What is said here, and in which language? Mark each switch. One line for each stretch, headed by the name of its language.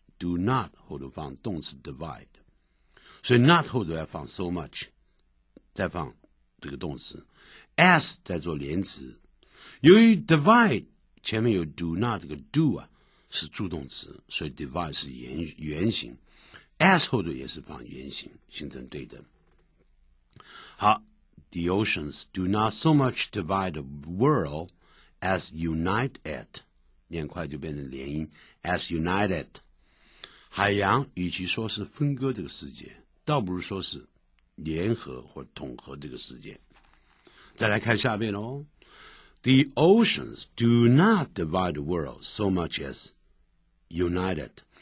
Chinese: Do not, 后头放动词 divide. 所以 not 后头要放 so much, 再放这个动词。 S 再做连词。由于 divide, 前面有 do not 这个 do 啊是助动词，所以 divide 是原型。 S 后头也是放原型，形成对等。好。
English: The oceans do not so much divide the world as unite it.
Chinese: 念快就变成连音
English: as united.
Chinese: 海洋与其说是分割这个世界，倒不如说是联合或统合这个世界。再来看下面咯。
English: The oceans do not divide the world so much as united.